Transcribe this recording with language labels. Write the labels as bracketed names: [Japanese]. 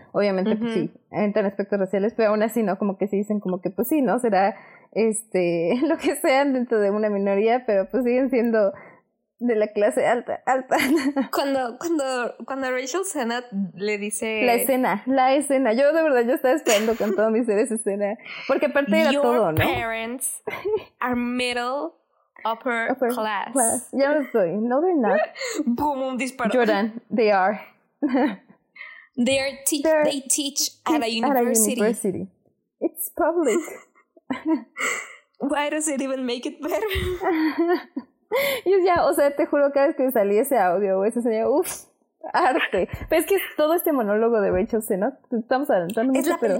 [Spanish] Obviamente, pues sí, entran aspectos raciales, pero aún así, ¿no? Como que sí dicen como que, pues sí, ¿no? Será lo que sean dentro de una minoría, pero pues siguen siendo... De la clase alta. Cuando Rachel Zenot le dice... La escena. Yo de verdad, yo estaba esperando con todo mi ser esa escena. Porque aparte era [English] Your [Spanish] todo, ¿no? [English] Your parents are middle, upper class. [Spanish] Ya lo estoy. [English] No, they're not. [Spanish] Boom, un disparo. [English] Jordan, they are. they teach at a university. It's public. Why does it even make it better? [Spanish] Y ya, o sea, te juro, cada vez que salí ese audio o esa señal, uff, arte. Pero es que todo este monólogo de Rachel Zenot, estamos adelantando mucho, pero...